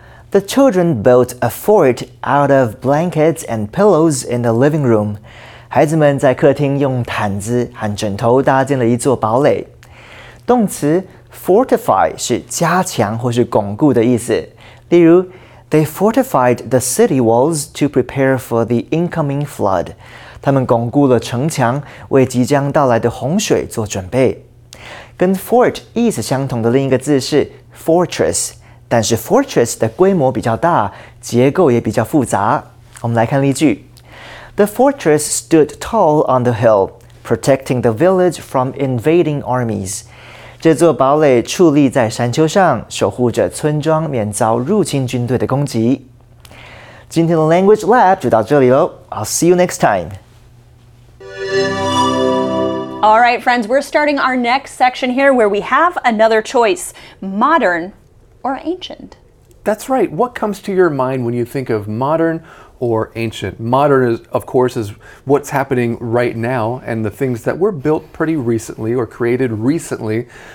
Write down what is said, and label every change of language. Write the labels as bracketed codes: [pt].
[en] The children built a fort out of blankets and pillows in the living room. [zh] 孩子们在客厅用毯子和枕头搭建了一座堡垒。动词 fortify 是加强或是巩固的意思。例如 [en] ,they fortified the city walls to prepare for the incoming flood. [zh] 他们巩固了城墙为即将到来的洪水做准备。跟 fort 意思相同的另一个字是 fortress。但是 fortress 的规模比较大，结构也比较复杂。我们来看例句。 [en] The fortress stood tall on the hill, protecting the village from invading armies. [zh] 这座堡垒矗立在山丘上，守护着村庄免遭入侵军队的攻击。今天的 Language Lab 就到这里咯。 [en] I'll see you next time. All right, friends, we're starting our next section here where we have another choice, modern. Or ancient. That's right. What comes to your mind when you think of modern or ancient? Modern is, of course, is what's happening right now and the things that were built pretty recently or created recently.